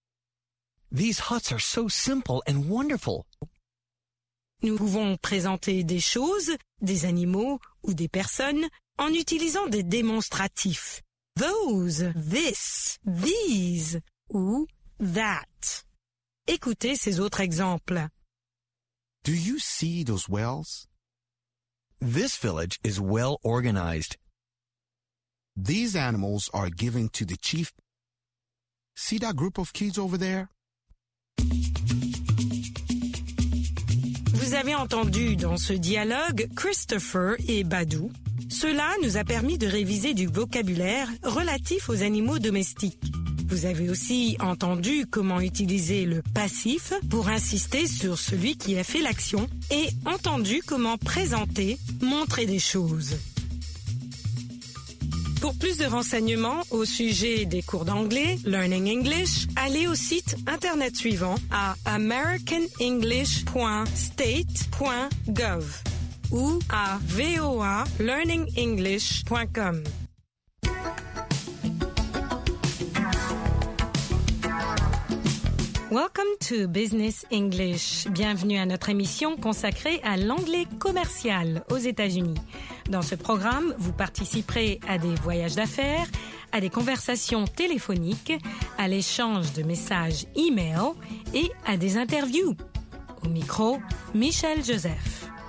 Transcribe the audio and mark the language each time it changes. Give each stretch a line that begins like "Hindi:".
English: « These huts are so simple and wonderful. »
French: Nous pouvons présenter des choses, des animaux ou des personnes en utilisant des démonstratifs.
English: « Those, this, these » ou « that ».
French: Écoutez ces autres exemples.
English: « Do you see those wells? » This village is well organized. These animals are given to the chief. See that group of kids over there?
French: Vous avez entendu dans ce dialogue Christopher et Badou. Cela nous a permis de réviser du vocabulaire relatif aux animaux domestiques. Vous avez aussi entendu comment utiliser le passif pour insister sur celui qui a fait l'action et entendu comment présenter, montrer des choses. Pour plus de renseignements au sujet des cours d'anglais, Learning English, allez au site internet suivant à americanenglish.state.gov ou à voalearningenglish.com.
English: Welcome to Business English.
French: Bienvenue à notre émission consacrée à l'anglais commercial aux États-Unis. Dans ce programme, vous participerez à des voyages d'affaires, à des conversations téléphoniques, à l'échange de messages e-mail et à des interviews. Au micro, Michel Joseph.